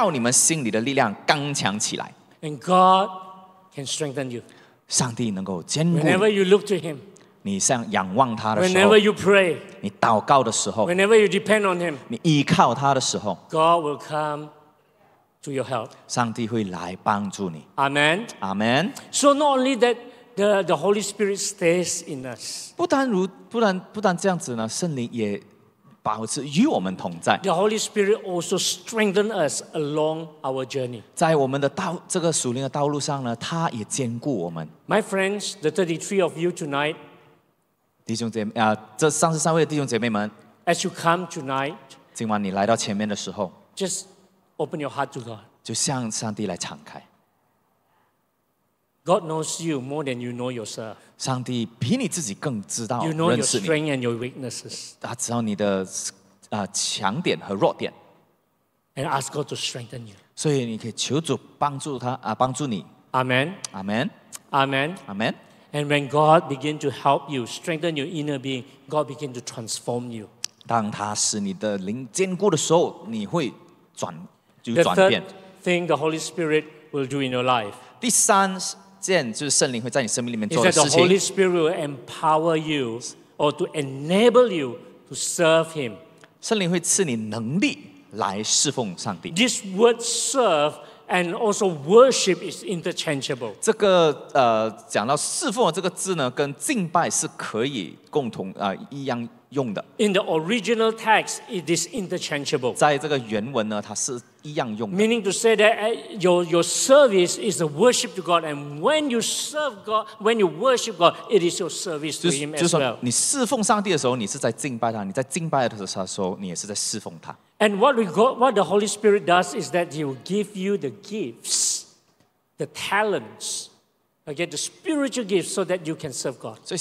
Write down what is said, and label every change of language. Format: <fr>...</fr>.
<zh>就是借着他的灵，就是圣灵，叫你们心里的力量刚强起来。</zh> <en>And God can strengthen you.</en> <zh>上帝能够坚固。</zh> <en>Whenever you look to Him.</en> <zh>你向仰望他的时候，你祷告的时候，</zh> <en>Whenever you depend on him,</en> <zh>你依靠他的时候，</zh> <en>God will come to your help.</en> <zh>上帝会来帮助你。</zh> <en>Amen. Amen. So not only that, the Holy Spirit stays in us.</en> <zh>不但这样子呢， 圣灵也保持与我们同在。</zh> <en>The Holy Spirit also strengthens us along our journey.</en> <zh>在我们的道，这个属灵的道路上呢， 祂也坚固我们。</zh> <en>My friends, the 33 of you tonight,</en> <zh>弟兄姐妹，这33位弟兄姐妹们，</zh> <en>As you come tonight,</en> <zh>今晚你来到前面的时候，</zh> <en>Just open your heart to God.</en> <zh>就向上帝来敞开。</zh> <en>God knows you more than you know yourself.</en> <zh>上帝比你自己更知道，</zh> <en>You know your strength and your weaknesses.</en> <zh>他知道你的 强点和弱点。</zh> <en>And ask God to strengthen you.</en> <zh>所以你可以求主帮助他， 帮助你。</zh> <en>Amen. Amen. Amen. Amen. And when God begins to help you, strengthen your inner being, God begins to transform you.</en> <zh>当他使你的灵坚固的时候， 你会转变。</zh> <en>The third thing the Holy Spirit will do in your life,</en> <zh>第三件就是圣灵会在你生命里面做的事情，</zh> <en>is that the Holy Spirit will empower you or to enable you to serve Him.</en> <zh>圣灵会赐你能力来侍奉上帝。</zh> <en>This word serve and also worship is interchangeable.</en> <zh>这个, 讲到侍奉这个字呢, 跟敬拜是可以共同, 一样用的。</zh> <en>In the original text, it is interchangeable.</en> <zh>在这个原文呢, 它是一样用的。</zh> <en>Meaning to say that your service is a worship to God, and when you serve God, when you worship God, it is your service to Him as well.</en> <zh>你侍奉上帝的时候, 你是在敬拜他, 你在敬拜的时候, 你也是在侍奉他。</zh> <en>And what the Holy Spirit does is that He will give you the gifts, the talents, the spiritual gifts, so that you can serve God.</en>